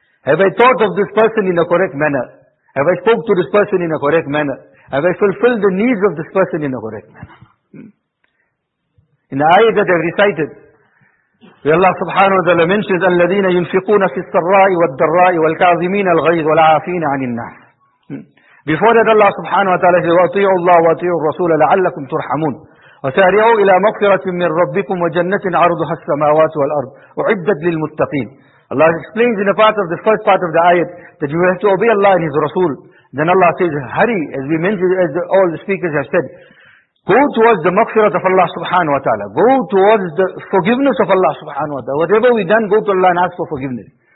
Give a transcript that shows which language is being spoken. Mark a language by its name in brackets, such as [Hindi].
[English] Have I thought of this person in a correct manner? Have I spoke to this person in a correct manner? Have I fulfilled the needs of this person in a correct manner? In the ayah that I recited, where Allah subhanahu wa ta'ala mentions [Arabic] الَّذِينَ يُنْفِقُونَ فِي السَّرَّاءِ وَالدَّرَّاءِ وَالْكَاظِمِينَ الْغَيْظِ وَالْعَافِينَ عَنِ النَّاسِ. [English] Before that Allah subhanahu wa ta'ala says, [Arabic] وَأَطِيعُوا اللَّهَ وَأَطِيعُوا الرَّسُولَ لَعَلَّكُمْ تُرْحَمُونَ وَسَارِعُوا إِلَى مَغْفِرَةٍ مِّن رَبِّكُمْ وَجَنَّةٍ عَرْضُهَا السَّمَاوَاتُ وَالْأَرْضُ وَعِدَّتْ لِلْمُتَّقِينَ. [English] Allah explains in a part of the first part of the ayat that you have to obey Allah and His Rasul. Then Allah says, hurry, as we mentioned, as all the speakers have said, go towards the maqfirat of Allah subhanahu wa ta'ala. Go towards the forgiveness of Allah subhanahu wa ta'ala. Whatever we done, go to Allah and ask for forgiveness.